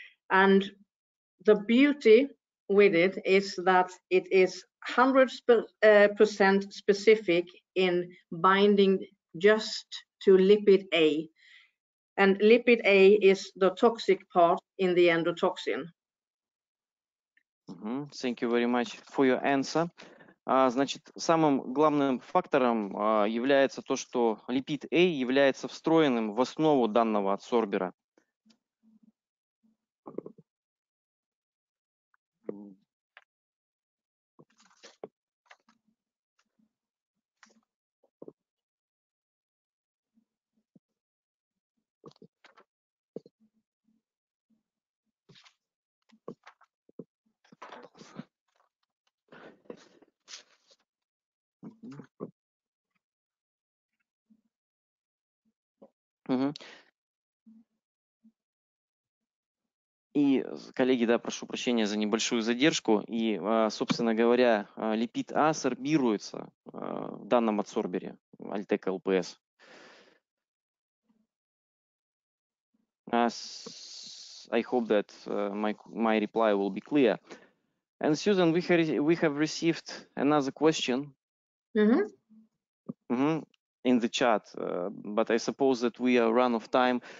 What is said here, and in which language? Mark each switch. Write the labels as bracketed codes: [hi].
[en] And the beauty with it is that it is 100% specific in binding just to lipid A. And lipid A is the toxic part in the endotoxin. Thank you very much for your answer. [ru] Значит, самым главным фактором является то, что липид A является встроенным в основу данного адсорбера. И, коллеги, да, прошу прощения за небольшую задержку. И, собственно говоря, липид А сорбируется в данном адсорбере Altec LPS. [en] I hope that my reply will be clear. And Susan, we have received another question. Mm-hmm. Mm-hmm. In the chat, but I suppose that we are run of time.